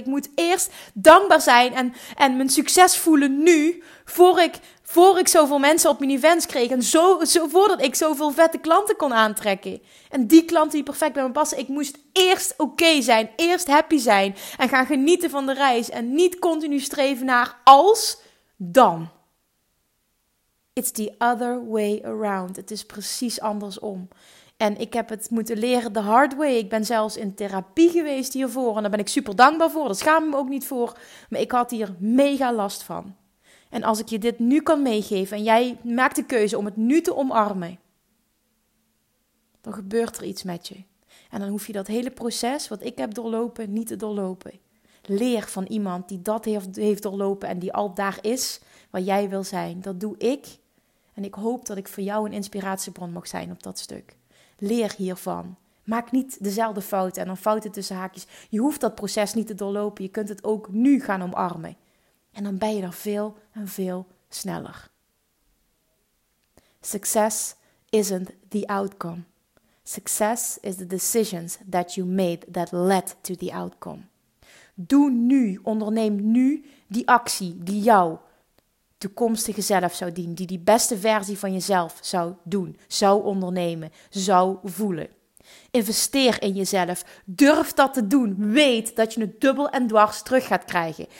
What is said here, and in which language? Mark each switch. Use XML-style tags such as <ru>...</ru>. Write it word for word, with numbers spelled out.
<nl>Ik moet eerst dankbaar zijn en, en mijn succes voelen nu voor ik, voor ik zoveel mensen op mijn events kreeg. En zo, zo, voordat ik zoveel vette klanten kon aantrekken. En die klanten die perfect bij me passen. Ik moest eerst oké okay zijn. Eerst happy zijn. En gaan genieten van de reis. En niet continu streven naar als dan.</nl> <en>It's the other way around.</en> <nl>Het is precies andersom. En ik heb het moeten leren</nl> <en>the hard way.</en> <nl>Ik ben zelfs in therapie geweest hiervoor. En daar ben ik super dankbaar voor. Daar schaam ik me ook niet voor. Maar ik had hier mega last van. En als ik je dit nu kan meegeven. En jij maakt de keuze om het nu te omarmen. Dan gebeurt er iets met je. En dan hoef je dat hele proces wat ik heb doorlopen niet te doorlopen. Leer van iemand die dat heeft, heeft doorlopen. En die al daar is waar jij wil zijn. Dat doe ik. En ik hoop dat ik voor jou een inspiratiebron mag zijn op dat stuk. Leer hiervan. Maak niet dezelfde fouten en dan fouten tussen haakjes. Je hoeft dat proces niet te doorlopen. Je kunt het ook nu gaan omarmen. En dan ben je er veel en veel sneller.</nl> <en>Success isn't the outcome. Success is the decisions that you made that led to the outcome.</en> <nl>Doe nu, onderneem nu die actie die jou toekomstige zelf zou dienen, die die beste versie van jezelf zou doen, zou ondernemen, zou voelen. Investeer in jezelf. Durf dat te doen. Weet dat je het dubbel en dwars terug gaat krijgen.</nl>